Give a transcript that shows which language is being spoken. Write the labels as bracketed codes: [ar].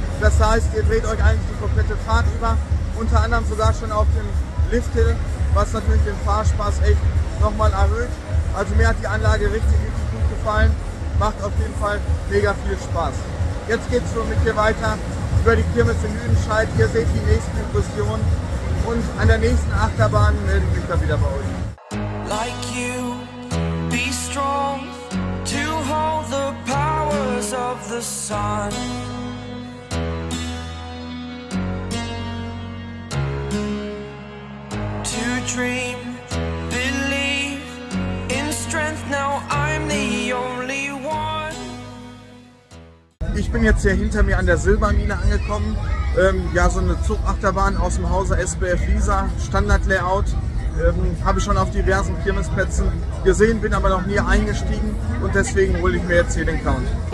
[de] Das heißt, ihr dreht euch eigentlich die komplette Fahrt über, unter anderem sogar schon auf dem Lifthill, was natürlich den Fahrspaß echt nochmal erhöht. Also mir hat die Anlage richtig, richtig gut gefallen, macht auf jeden Fall mega viel Spaß. Jetzt geht es mit dir weiter über die Kirmes in Lüdenscheid. Ihr seht die nächsten Impressionen. Und an der nächsten Achterbahn melde ich mich dann wieder bei euch. [en] Like you, be strong to hold the powers of the sun. To dream, believe in strength, now I'm the only one. [de] Ich bin jetzt hier hinter mir an der Silbermine angekommen. Ja, so eine Zugachterbahn aus dem Hause SBF Visa, Standard-Layout, habe ich schon auf diversen Kirmesplätzen gesehen, bin aber noch nie eingestiegen und deswegen hole ich mir jetzt hier den Count.